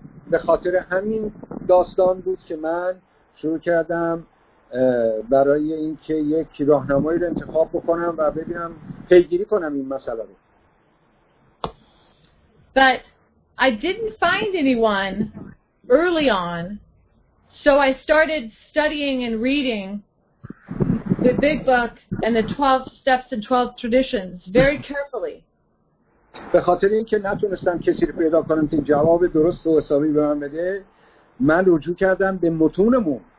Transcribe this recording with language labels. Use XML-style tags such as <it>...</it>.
<fa>به خاطر همین داستان بود که من شروع کردم برای اینکه یک راهنمایی رو انتخاب بکنم و ببینم پیگیری کنم این مسئله رو.</fa> <en>But I didn't find anyone early on, so I started studying and reading the Big Book and the 12 Steps and 12 Traditions very carefully.</en> <fa>به خاطر اینکه نتونستم کسی رو پیدا کنم که جواب درست و حسابی به من بده، من رجوع کردم به متونمون.</fa>